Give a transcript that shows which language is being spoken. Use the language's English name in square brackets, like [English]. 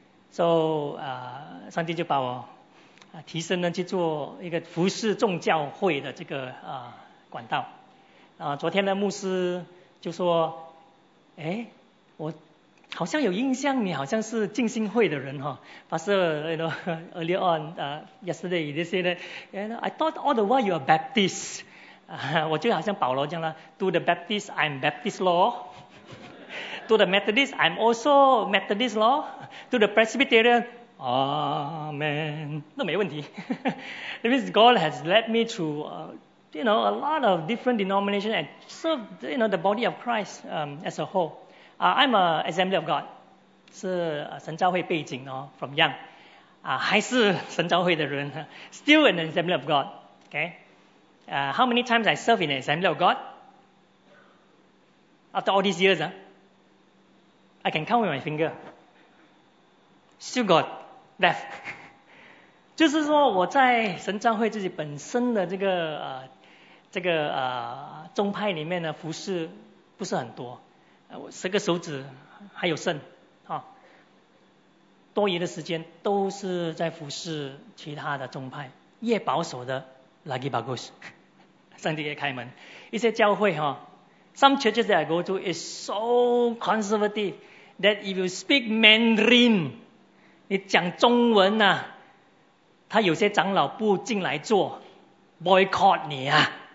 [Chinese] So, 上帝就把我提升呢去做一个服侍众教会的这个管道。昨天呢牧师就说，哎，我好像有印象，你好像是浸信会的人哈。 [English] Pastor, you know, earlier on, yesterday, they said that, you know, I thought all the while you are Baptist. [Chinese] 我就好像保罗这样了 ， [English] To the Baptist, I'm Baptist law. To the Methodist, I'm also Methodist law. To the Presbyterian, Amen. [Chinese] 那没问题。 [English] That means God has led me through, you know, a lot of different denominations and served, you know, the body of Christ, as a whole. I'm an Assembly of God. [Chinese] 是神教会背景哦 [English] from young. [Chinese] 还是神教会的人 [English] still an Assembly of God. [Chinese] Okay. [English] How many times I serve in an Assembly of God? After all these years, I can count with my finger. Still got left. [Chinese] 就是说我在神教会自己本身的这个宗派里面呢服侍不是很多。我十个手指还有剩。多余的时间都是在服侍其他的宗派。越保守的 [Malay] lagi bagus. [Chinese] 上帝也开门。一些教会 [English] some churches that I go to is so conservative. That if you speak Mandarin, [Chinese] 你讲中文啊，他有些长老不进来做 ，boycott 你啊。